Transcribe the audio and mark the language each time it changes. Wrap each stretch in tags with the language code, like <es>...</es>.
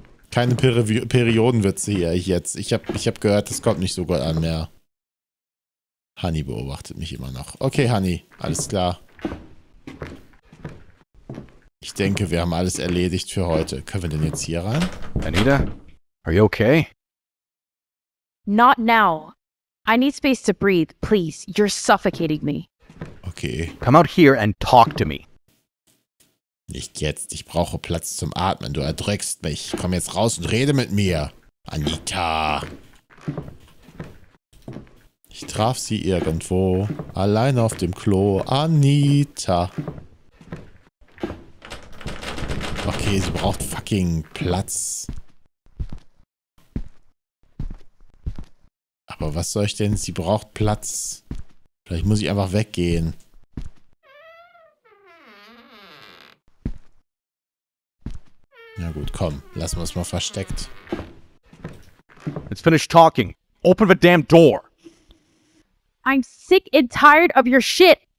<de>Keine Periodenwitze hier jetzt. Ich hab gehört, das kommt nicht so gut an mehr. Honey beobachtet mich immer noch. Okay, Honey. Alles klar. Ich denke, wir haben alles erledigt für heute. Können wir denn jetzt hier rein?</de> <en>Anita, are you okay? Not now. I need space to breathe, please. You're suffocating me. Okay. Come out here and talk to me.</en> <de>Nicht jetzt. Ich brauche Platz zum Atmen. Du erdrückst mich. Komm jetzt raus und rede mit mir. Anita. Ich traf sie irgendwo. Allein auf dem Klo. Anita. Okay, sie braucht fucking Platz. Aber was soll ich denn? Sie braucht Platz. Vielleicht muss ich einfach weggehen. Na gut, komm. Lassen wir es mal versteckt.</de> <en>Let's finish talking. Open the damn door. I'm sick and tired of your shit.</en>